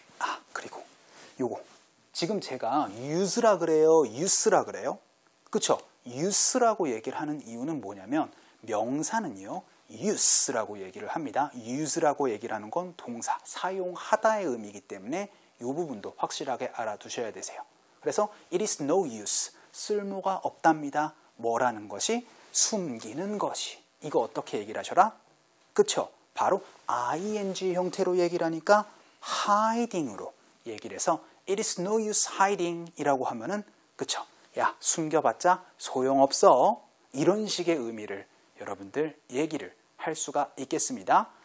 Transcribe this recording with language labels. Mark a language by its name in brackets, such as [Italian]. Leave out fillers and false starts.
[Korean] 아, 그리고 요거. 지금 제가 use라 그래요? use라 그래요? 그렇죠? use라고 얘기를 하는 이유는 뭐냐면 명사는요, use라고 얘기를 합니다. use라고 얘기를 하는 건 동사, 사용하다의 의미이기 때문에 이 부분도 확실하게 알아두셔야 되세요. 그래서 [English] it is no use, [Korean] 쓸모가 없답니다. 뭐라는 것이? 숨기는 것이. 이거 어떻게 얘기를 하셔라? 그렇죠? 바로 ing 형태로 얘기를 하니까 hiding으로 얘기를 해서 [English] It is no use hiding [Korean] 이라고 하면은 그쵸? 야, 숨겨봤자 소용없어. 이런 식의 의미를 여러분들 얘기를 할 수가 있겠습니다.